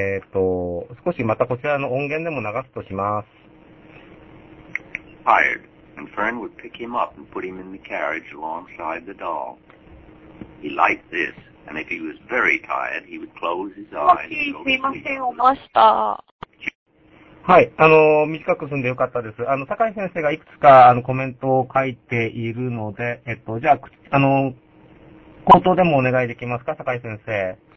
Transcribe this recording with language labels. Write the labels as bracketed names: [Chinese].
[Japanese] 少しまたこちらの音源でも流すとします。 [English] Tired, and Fern would pick him up and put him in the carriage alongside the doll. He liked this, and if he was very tired, he would close his eyes and go to sleep. [Japanese] はい。短く済んでよかったです。坂井先生がいくつか、コメントを書いているので、じゃあ、口頭でもお願いできますか、坂井先生。